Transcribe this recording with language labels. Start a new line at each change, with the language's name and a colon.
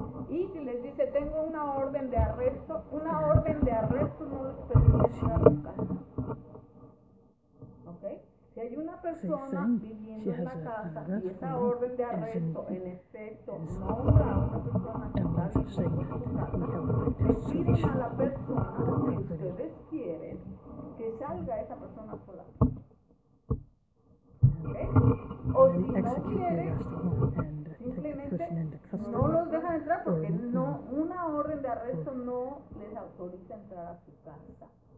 Spanish: Y si les dice, tengo una orden de arresto, no les permite entrar a la casa.
English: same thing. She has a arrest warrant, as in, And execute the arrest warrant and take the person into custody.
Spanish: No los dejan entrar porque no, una orden de arresto no les autoriza entrar a su casa.